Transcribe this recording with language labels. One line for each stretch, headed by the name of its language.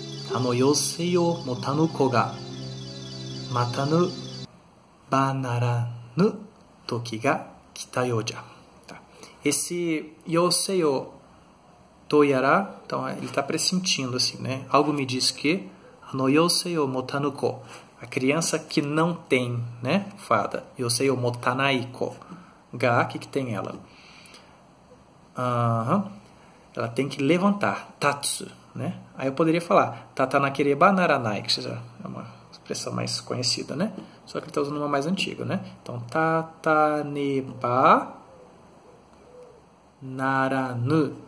Japanese: あの妖精を持たぬ子が待たぬばならぬ時が来たようじゃ。
Portuguese: Esse 妖精をどうやら、 então, ele está pressentindo assim, né? Algo me diz que あの妖精を持たぬ子、 a criança que não tem, né? Fada.
Japanese: 妖精を持たない子が、 que tem ela?
Portuguese: Ela tem que levantar. Tatsu. Né? Aí eu poderia falar Tatanakereba naranai, que seja uma expressão expressão mais conhecida, né? Só que ele está usando uma mais antiga, né? Então, tataneba naranu.